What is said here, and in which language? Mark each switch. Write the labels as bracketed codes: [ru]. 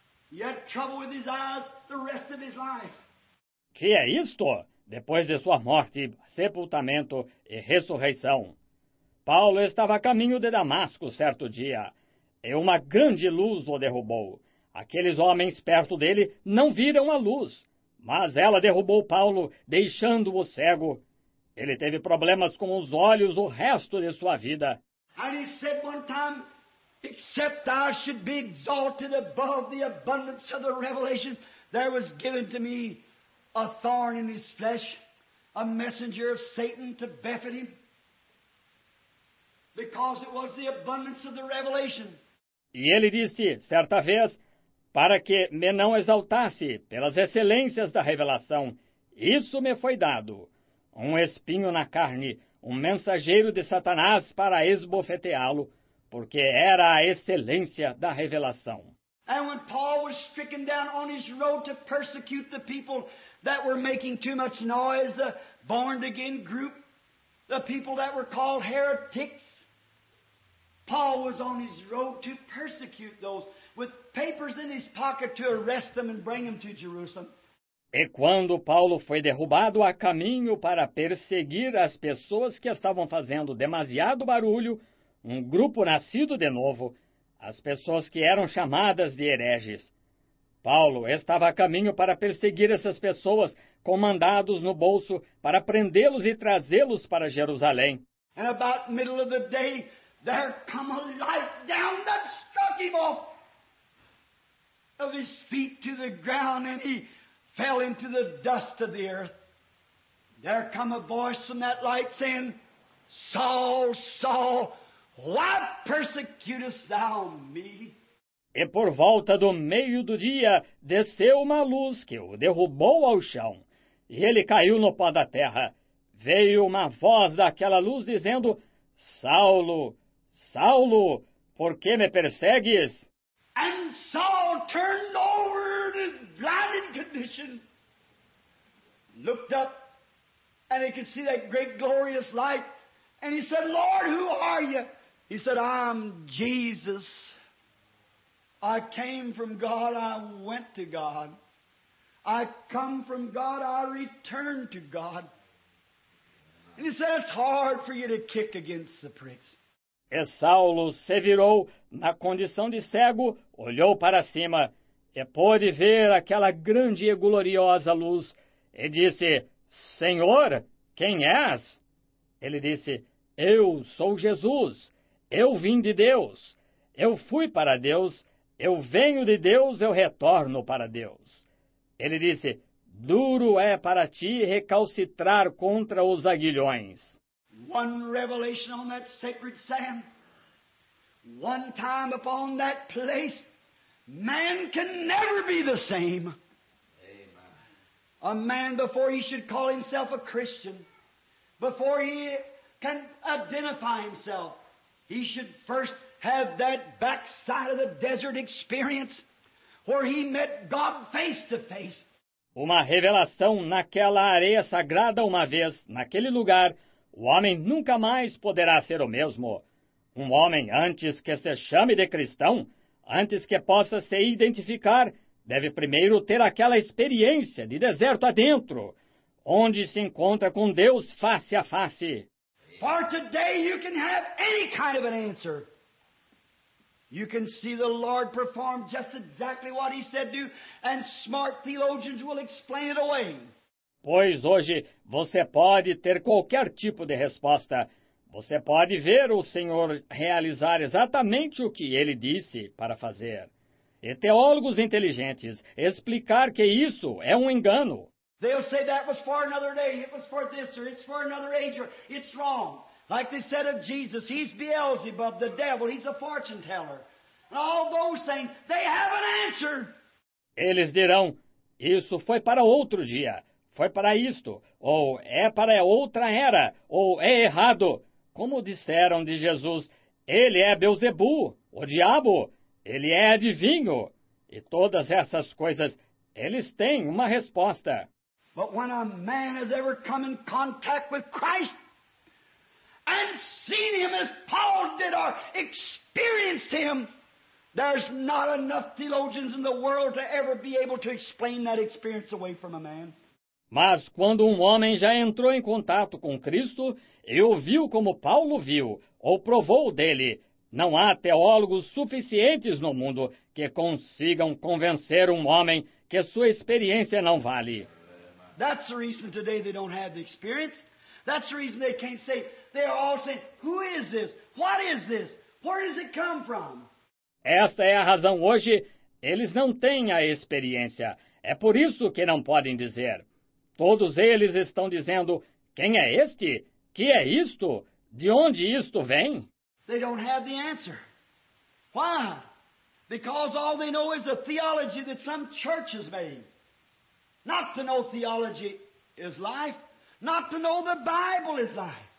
[en] He had trouble with his eyes the rest of his life. [pt] Que é isto? Depois de sua morte, sepultamento e ressurreição, Paulo estava a caminho de Damasco certo dia, e uma grande luz o derrubou. Aqueles homens perto dele não viram a luz, mas ela derrubou Paulo, deixando-o cego. Ele teve problemas com os olhos o resto de sua vida. [en] And he said one time, except I should be exalted above the abundance of the revelation, there was given to me a thorn in his flesh, a messenger of Satan to buffet him, because it was the abundance of the revelation. [pt] E ele disse, certa vez, para que me não exaltasse pelas excelências da revelação, isso me foi dado. Um espinho na carne, um mensageiro de Satanás para esbofeteá-lo, porque era a excelência da revelação. E quando Paulo foi [en] stricken down on his road to persecute the people that were making too much noise, the born-again group, the people that were called heretics, Paul was on his road to persecute those with papers in his pocket to arrest them and bring them to Jerusalem. [pt] E quando Paulo foi derrubado a caminho para perseguir as pessoas que estavam fazendo demasiado barulho, um grupo nascido de novo, as pessoas que eram chamadas de hereges. Paulo estava a caminho para perseguir essas pessoas com mandados no bolso para prendê-los e trazê-los para Jerusalém. [en] And about middle of the day, there come a light down that struck him off of his feet to the ground, and he fell into the dust of the earth. There come a voice from that light saying, Saul, Saul, why persecutest thou me? [pt] E por volta do meio do dia, desceu uma luz que o derrubou ao chão, e ele caiu no pó da terra. Veio uma voz daquela luz dizendo, Saulo, Saulo, por que me persegues? [en] And Saul turned over in his blinded condition, looked up, and he could see that great glorious light, and he said, Lord, who are you? He said, I'm Jesus. I came from God, I went to God. I come from God, I returned to God. And he said, it's hard for you to kick against the pricks. [pt] E Saulo se virou, na condição de cego, olhou para cima, e pôde ver aquela grande e gloriosa luz, e disse, Senhor, quem és? Ele disse, eu sou Jesus, Eu vim de Deus. Eu fui para Deus. Eu venho de Deus, eu retorno para Deus. Ele disse, duro é para ti recalcitrar contra os aguilhões. [en] One revelation on that sacred sand. One time upon that place. Man can never be the same. A man, before he should call himself a Christian, before he can identify himself, he should first have that backside of the desert experience where he met God face to face. [pt] Uma revelação naquela areia sagrada uma vez, naquele lugar, o homem nunca mais poderá ser o mesmo. Um homem, antes que se chame de cristão, antes que possa se identificar, deve primeiro ter aquela experiência de deserto adentro, onde se encontra com Deus face a face. [en] For today you can have any kind of an answer. You can see the Lord perform just exactly what he said do, and smart theologians will explain it away. [pt] Pois hoje você pode ter qualquer tipo de resposta. Você pode ver o Senhor realizar exatamente o que ele disse para fazer. E teólogos inteligentes explicar que isso é um engano. [en] They'll say that was for another day, it was for this, or it's for another age, or it's wrong. Like they said of Jesus, he's Beelzebub, the devil, he's a fortune teller. And all those things, they have an answer. [pt] Eles dirão, isso foi para outro dia, foi para isto, ou é para outra era, ou é errado. Como disseram de Jesus, ele é Beelzebu, o diabo. Ele é adivinho. E todas essas coisas, eles têm uma resposta. [en] But when a man has ever come in contact with Christ and seen him as Paul did or experienced him, there's not enough theologians in the world to ever be able to explain that experience away from a man. [pt] Mas quando um homem já entrou em contato com Cristo e o viu como Paulo viu ou provou dele, não há teólogos suficientes no mundo que consigam convencer um homem que sua experiência não vale. [en] That's the reason today they don't have the experience. That's the reason they can't say, they're all saying, who is this? What is this? Where does it come from? [pt] Esta é a razão hoje, eles não têm a experiência. É por isso que não podem dizer. Todos eles estão dizendo, quem é este? Que é isto? De onde isto vem? [en] They don't have the answer. Why? Because all they know is a theology that some church has made. Not to know theology is life. Not to know the Bible is life.